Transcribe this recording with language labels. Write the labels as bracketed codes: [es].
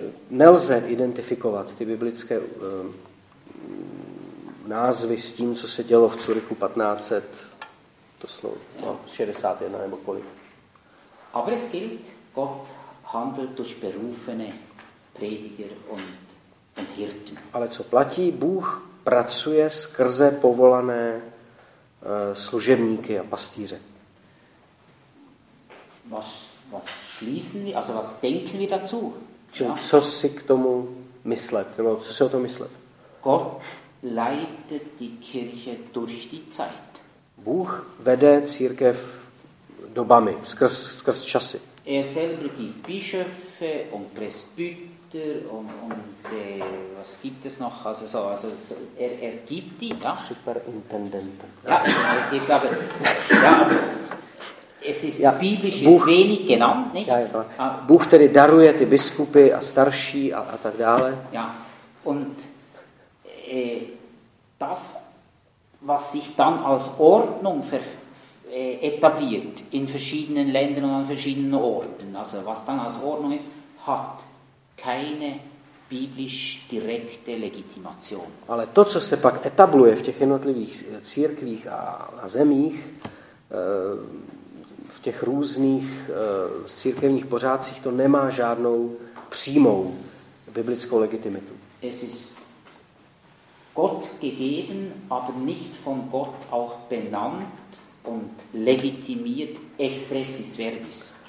[cs] Nelze identifikovat ty biblické názvy s tím, co se dělo v Curychu 1500, to slovo, no, 61 nebo kolik. [de] Aber es gilt, Gott handelt durch berufene Prediger und Hirten. [cs] Ale co platí, Bůh pracuje skrze povolané služebníky a pastýře. [de] Was schließen wir, also was denken wir dazu? [cs] Co si k tomu myslet, nebo co si o tom myslet? [de] Gott leitet die Kirche durch die Zeit. [cs] Bůh vede církev dobami, skrz časy. [de] Er selber gibt Bischöfe und Presbyter und was gibt es noch? Also er gibt die, ja? Superintendenten. Ja, er gibt aber... Ja, es ist ja, biblisch Bůh, ist wenig genannt, nicht? Ja, ja. [cs] Bůh tedy daruje ty biskupy a starší a tak dále. [de] Ja, und das, was sich dann als Ordnung etabliert in verschiedenen Ländern und an verschiedenen Orten, also was dann als Ordnung ist, hat keine biblisch direkte Legitimation. [cs] Ale to, co se pak etabluje v těch jednotlivých církvích a zemích, v těch různých církevních pořádcích, to nemá žádnou přímou biblickou legitimitu. [de] Es ist Gott gegeben, aber nicht von Gott auch benannt und legitimiert expressis verbis.